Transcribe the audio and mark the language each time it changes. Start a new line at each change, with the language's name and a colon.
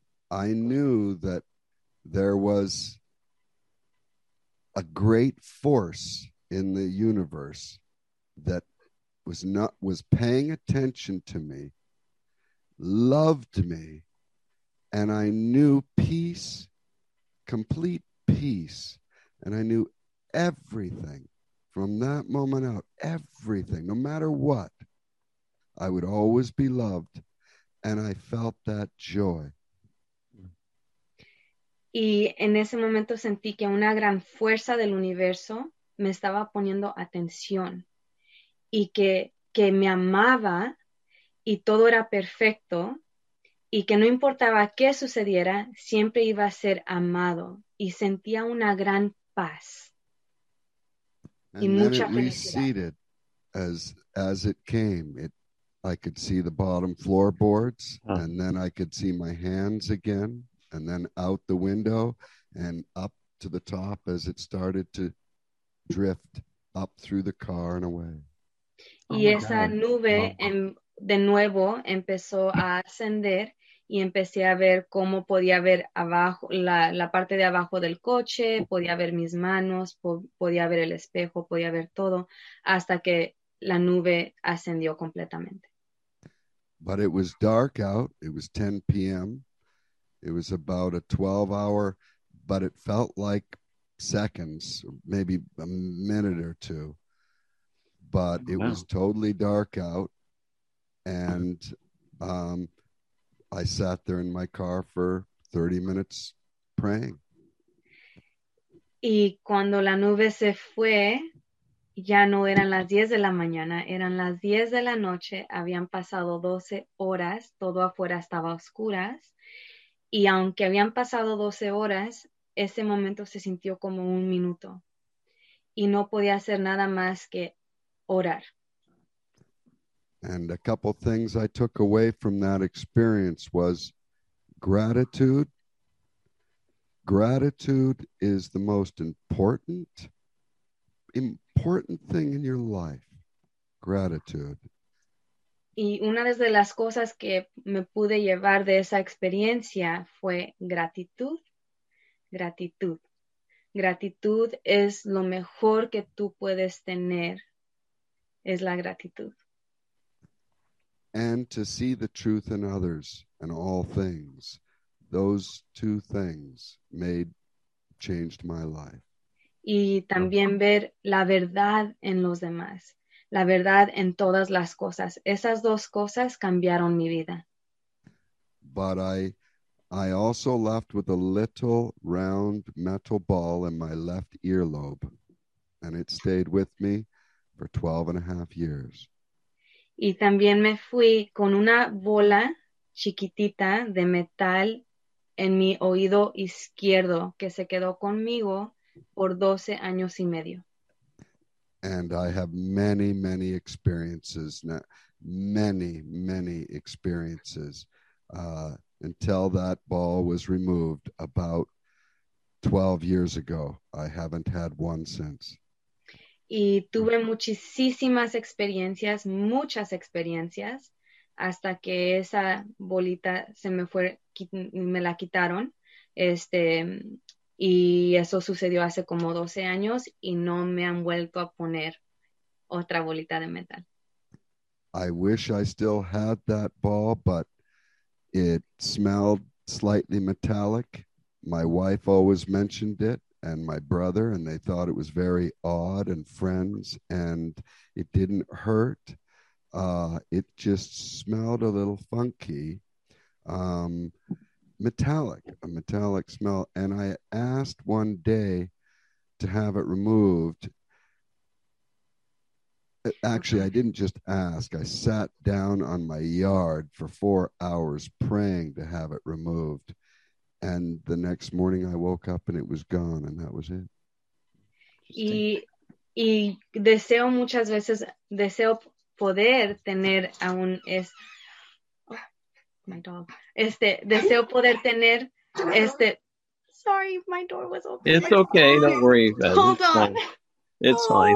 English: I knew that there was a great force in the universe that was paying attention to me, loved me, and I knew peace, complete peace, and I knew everything from that moment out, everything, no matter what, I would always be loved, and I felt that joy.
Spanish: Y en ese momento sentí que una gran fuerza del universo me estaba poniendo atención. Y que me amaba y todo era perfecto y que no importaba qué sucediera, siempre iba a ser amado y sentía una gran paz y mucha felicidad.
English: As it came, I could see the bottom floorboards and then I could see my hands again and then out the window and up to the top as it started to drift up through the car and away. Y oh esa God.
Spanish: Nube de nuevo empezó a ascender y empecé a ver cómo podía ver abajo, la parte de abajo del coche, podía ver mis manos, podía ver el espejo, podía ver todo, hasta que la nube ascendió completamente.
English: But it was dark out, it was 10 p.m., it was about a 12 hour, but it felt like seconds, maybe a minute or two. But it was totally dark out, and I sat there in my car for 30 minutes praying.
Spanish: Y cuando la nube se fue, ya no eran las 10 de la mañana, eran las 10 de la noche, habían pasado 12 horas, todo afuera estaba oscuras, y aunque habían pasado 12 horas, ese momento se sintió como un minuto, y no podía hacer nada más que orar.
English: And a couple things I took away from that experience was gratitude. Gratitude is the most important thing in your life. Gratitude.
Spanish: Y una de las cosas que me pude llevar de esa experiencia fue gratitud. Gratitud. Gratitud es lo mejor que tú puedes tener. Es la gratitud.
English: And to see the truth in others and all things, those two things changed my life.
Spanish: Y también ver la verdad en los demás, la verdad en todas las cosas. Esas dos cosas cambiaron mi vida.
English: But I also left with a little round metal ball in my left earlobe, and it stayed with me. For 12 and a half years.
Spanish: Y también me fui con una bola chiquitita de metal en mi oído izquierdo que se quedó conmigo por 12 años y medio.
English: And I have many, many experiences now. Many, many experiences until that ball was removed about 12 years ago. I haven't had one since.
Spanish: Y tuve muchísimas experiencias, muchas experiencias, hasta que esa bolita se me fue me la quitaron, y eso sucedió hace como 12 años y no me han vuelto a poner otra bolita de metal.
English: I wish I still had that ball, but it smelled slightly metallic. My wife always mentioned it, and my brother, and they thought it was very odd, and friends, and it didn't hurt. It just smelled a little funky, metallic, a metallic smell. And I asked one day to have it removed. Actually, I didn't just ask. I sat down on my yard for 4 hours praying to have it removed. And the next morning I woke up and it was gone, and that was it.
Spanish: Y deseo muchas veces, deseo poder tener aún es,
English: my dog,
Spanish: deseo poder tener
English: sorry, my door was open. It's okay, phone. Don't worry. Ben. Hold it's on. Fine. It's fine.